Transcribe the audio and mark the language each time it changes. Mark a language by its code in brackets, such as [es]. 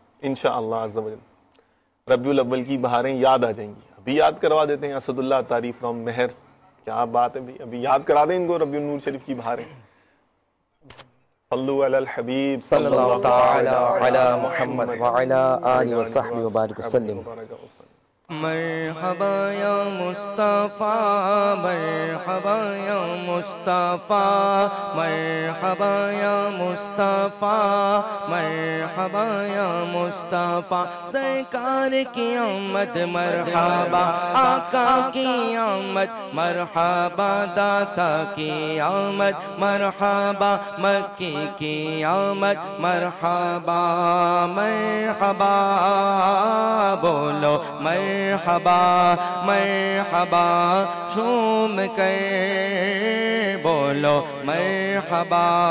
[ur] انشاءاللہ عز و جل ربیع الاول کی بہاریں یاد آ جائیں گی. ابھی یاد کروا دیتے ہیں اسد اللہ تاریف فرام مہر. کیا بات ہے, ابھی یاد کرا دیں ان کو ربیع النور شریف کی بہاریں. [ar] صلوا علی الحبیب صلی اللہ تعالی علی محمد وعلی آلہ وصحبہ وبارک وسلم. مرحبا یا مصطفیٰ, مرحبا یا مصطفیٰ, مرحبا. مرحبا یا مصطفیٰ، مرحبا یا مصطفیٰ، [ur] سرکار کی آمد مرحبا، آقا کی آمد مرحبا، داتا کی آمد مرحبا، مکی کی آمد مرحبا، مرحبا بولو مرحبا، مرحبا جھوم کر بولو مرحبا،